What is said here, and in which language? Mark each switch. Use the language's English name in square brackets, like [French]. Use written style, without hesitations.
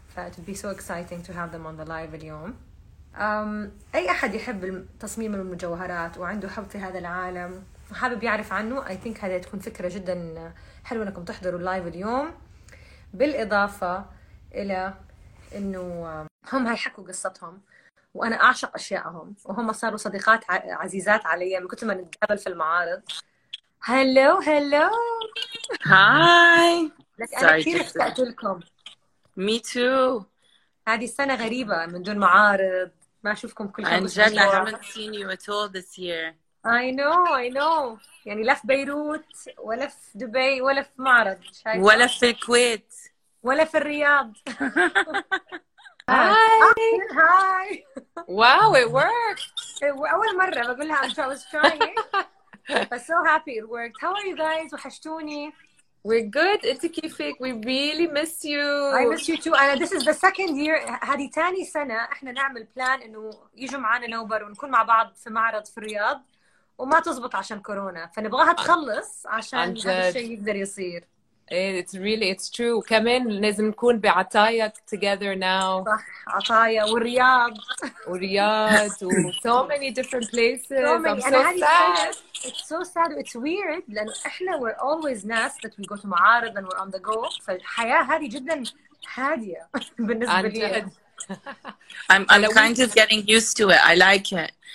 [English] It would be so exciting to have them on the live [Arabic] اليوم. أي أحد يحب تصميم المجوهرات وعنده حب في هذا العالم وحابب يعرف عنه, [English] I think [Arabic] هذه تكون فكرة جدا حلوة أنكم تحضروا اللايف اليوم, بالإضافة إلى أنه هم هيحكوا قصتهم وأنا أعشق أشياءهم وهم صاروا صديقات عزيزات علي من كتما نتقابل في المعارض. [English] hello hello hi, [Arabic] أنا كثير اشتقت لكم. [English] Me too. [Arabic] هذه السنة غريبة من دون معارض, ما أشوفكم كل يوم. عنجد [English] I haven't seen you at all this year. I know. [Arabic] يعني لا في بيروت ولا في دبي ولا في معرض. ولا في الكويت. ولا في الرياض. [English] Hi. Wow, it worked. [Arabic] أول مرة بقولها [English] I was trying. But so happy it worked. How are you guys? [Arabic] وحشتوني. [English] We're good. [Arabic] أنت كيفك؟ [English] We really miss you. I miss you too. And this is the second year. [Arabic] هذه تاني سنة إحنا نعمل plan إنه يجوا معانا نوبر ونكون مع بعض في معرض في الرياض, وما تزبط عشان كورونا. فنبغاها تخلص عشان هذا الشيء يقدر يصير. [English] It's true. [Arabic] كمان لازم نكون بعطايا [English] together now. [Arabic] صح, عطايا والرياض. والرياض. [English] So many different places. So many. I'm so sad. It's so sad. It's weird. [Arabic] لأنه إحنا [English] we're always ناس that we go to معارض and we're on the go. [Arabic] فالحياة هذه جدا هادية بالنسبة لي. [English] I'm kind of getting used to it. I like it.